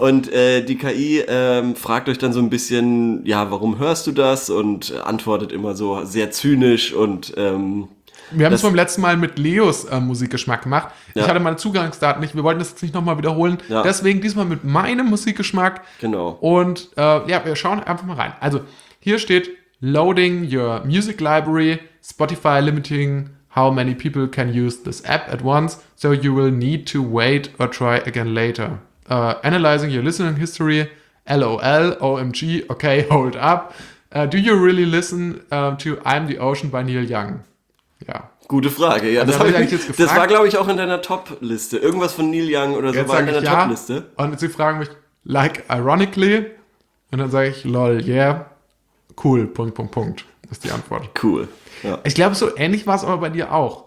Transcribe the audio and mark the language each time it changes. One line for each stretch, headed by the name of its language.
German: Und die KI fragt euch dann so ein bisschen, ja, warum hörst du das, und antwortet immer so sehr zynisch und wir haben es beim letzten Mal mit Leos Musikgeschmack gemacht. Ja. Ich hatte meine Zugangsdaten nicht. Wir wollten das jetzt nicht nochmal wiederholen. Ja. Deswegen diesmal mit meinem Musikgeschmack. Genau. Und wir schauen einfach mal rein.
English: Also hier steht, loading your music library, Spotify limiting how many people can use this app at once, so you will need to wait or try again later. Analyzing your listening history, LOL, OMG, okay, hold up. Do you really listen to I'm the Ocean by Neil Young?
German: Ja. Gute Frage. Ja, also das war, glaube ich, auch in deiner Top-Liste. Irgendwas von Neil Young oder jetzt so war in deiner Top-Liste. Und sie fragen mich, like ironically, und dann sage ich, lol, yeah, cool, Punkt, Punkt, Punkt, ist die Antwort. Cool. Ja. Ich glaube, so ähnlich war es aber bei dir auch.